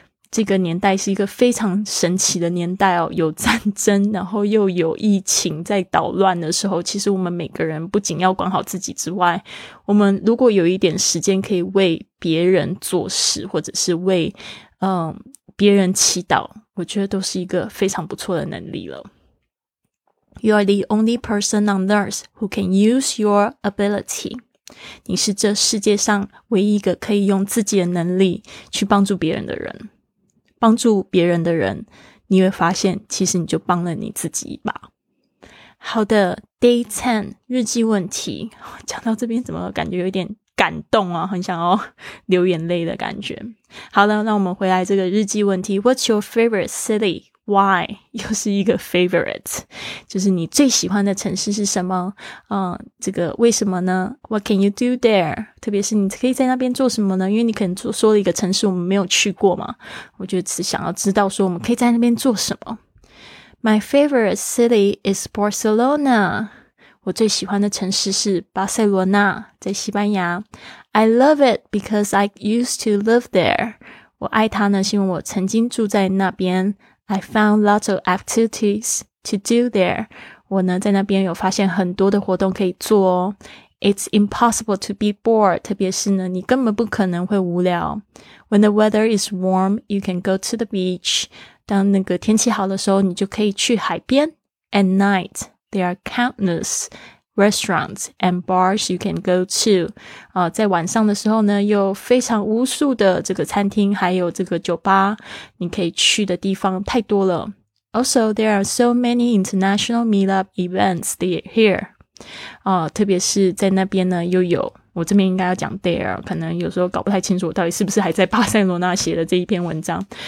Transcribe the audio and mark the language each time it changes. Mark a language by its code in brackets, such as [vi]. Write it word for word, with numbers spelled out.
[zh] 这个年代是一个非常神奇的年代哦，有战争然后又有疫情在捣乱的时候，其实我们每个人不仅要管好自己之外，我们如果有一点时间可以为别人做事，或者是为嗯别人祈祷，我觉得都是一个非常不错的能力了。 [en] You are the only person on earth who can use your ability。 [zh] 你是这世界上唯一一个可以用自己的能力去帮助别人的人。帮助别人的人，你会发现其实你就帮了你自己一把。好的， Day 十， 日记问题。讲到这边怎么感觉有点感动啊，很想要流眼泪的感觉。好了，那我们回来这个日记问题。 [en] What's your favorite city? Why [zh] 又是一个 favorite， 就是你最喜欢的城市是什么、嗯、这个为什么呢？ [en] What can you do there？ [zh] 特别是你可以在那边做什么呢？因为你可能说了一个城市我们没有去过嘛，我就只想要知道说我们可以在那边做什么。 [en] My favorite city is Barcelona， [zh] 我最喜欢的城市是巴塞罗那，在西班牙。 [en] I love it because I used to live there， [zh] 我爱它呢是因为我曾经住在那边。 [en] I found lots of activities to do there. [zh] 我呢在那边有发现很多的活动可以做哦。 [en] It's impossible to be bored. [zh] 特别是呢你根本不可能会无聊。 [en] When the weather is warm, you can go to the beach. [zh] 当那个天气好的时候你就可以去海边。 [en] At night, there are countless restaurants and bars you can go to. [zh] 呃在晚上的时候呢有非常无数的这个餐厅还有这个酒吧你可以去的地方太多了。 [en] Also, there are so many international meetup events here. [zh] 呃，特别是在那边呢，又有我这边应该要讲 there， 可能有时候搞不太清楚我到底是不是还在巴塞罗那写的这一篇文章。